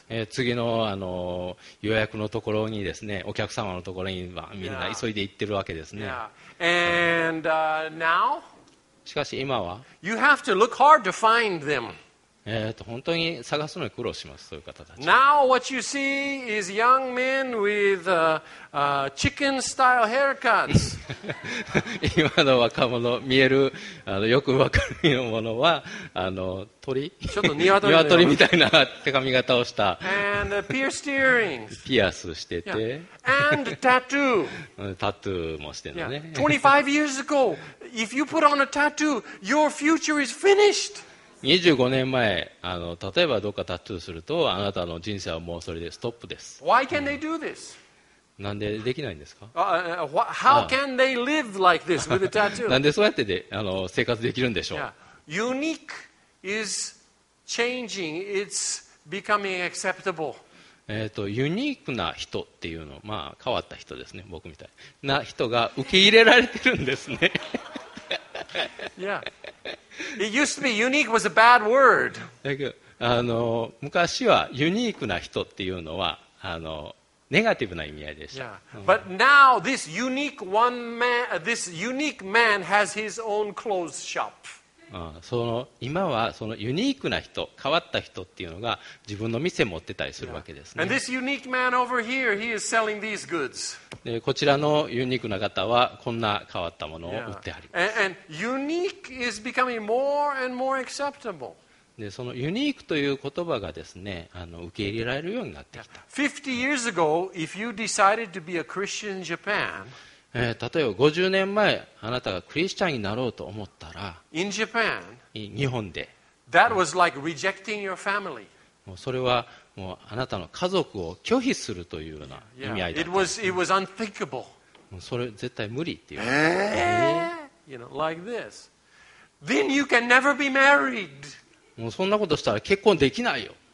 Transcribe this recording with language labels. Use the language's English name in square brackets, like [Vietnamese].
[Japanese] 次 の, あの予約のところにですね、お客様のところにはみんな急いで行ってるわけですね。 [English] Yeah. And, now, [Japanese] しかし今は [English] you have to look hard to find them. [Japanese] 本当に探すのに苦労します、そういう方たち。 [English] Now what you see is young men with chicken style haircuts. [Japanese] 今の若者見えるあのよくわかるようなものはあの鳥ちょっと鶏鶏みたいな手紙型をした [English] and pierced earrings. [Japanese] ピアスしてて、 [English] yeah. and tattoo. [Japanese] タトゥーもしてるのね、 [English] yeah. 25 years ago if you put on a tattoo your future is finished. [Japanese] 25年前あの例えばどっかタトゥーするとあなたの人生はもうそれでストップです。 [English] Why can they do this? [Japanese] なんでできないんですか、 [English] how can they live like this with a tattoo? [Japanese] なんでそうやってであの生活できるんでしょう、 [English] yeah. Unique is changing. It's becoming acceptable. [Japanese] ユニークな人っていうの、まあ、変わった人ですね、僕みたいな人が受け入れられてるんですね。 [English] Yeah. It used to be unique was a bad word. [Japanese] あの昔はユニークな人っていうのはあのネガティブな意味合いでした。 [English] Yeah. But now this unique one man, this unique man has his own clothes shop. [Japanese] その今はそのユニークな人、変わった人っていうのが自分の店持ってたりするわけですね。 [English] Yeah. And this unique man over here, he is selling these goods. [Japanese] でこちらのユニークな方はこんな変わったものを売ってあります。 [English] Yeah. And unique is becoming more and more acceptable. [Japanese] でそのユニークという言葉がですね、あの受け入れられるようになってきた。 [English] 50 years ago, if you decided to be a Christian in Japan, [Japanese] 例えば50年前あなたがクリスチャンになろうと思ったら、 [English] in Japan, [Japanese] 日本で、 [English] that was like rejecting your family. [Japanese] もうそれはもうあなたの家族を拒否するというような意味合いだった。 [English] Yeah, it was unthinkable. [Japanese] もうそれ絶対無理っていう。 [English] You know, like this. Then you can never be married. [Japanese] もうそんなことしたら結婚できないよ。